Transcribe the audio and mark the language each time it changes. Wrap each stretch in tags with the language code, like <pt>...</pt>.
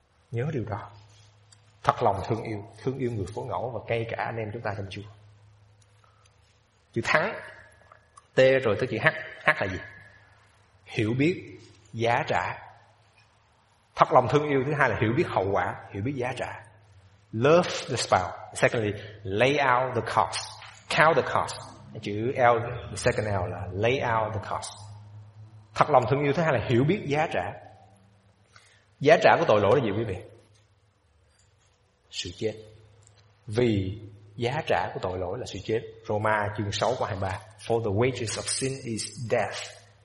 <vi>Nhớ điều đó, thật lòng thương yêu, thương yêu người phố ngẫu và ngay cả anh em chúng ta trong Chúa. Chữ thắng, T rồi tới chữ H. H là gì? Hiểu biết giá trả. Thật lòng thương yêu, thứ hai là hiểu biết hậu quả, hiểu biết giá trả.</vi> <en>Love the spouse. Secondly, lay out the cost. Count the cost.</en> <vi>Chữ L,</vi> <en>the second L là lay out the cost.</en> <vi>Thật lòng thương yêu, thứ hai là hiểu biết giá trả. Giá trả của tội lỗi là gì quý vị? Sự chết. Vì giá trả của tội lỗi là sự chết. Roma chương 6 câu 23.</vi> <en>For the wages of sin is death.</en>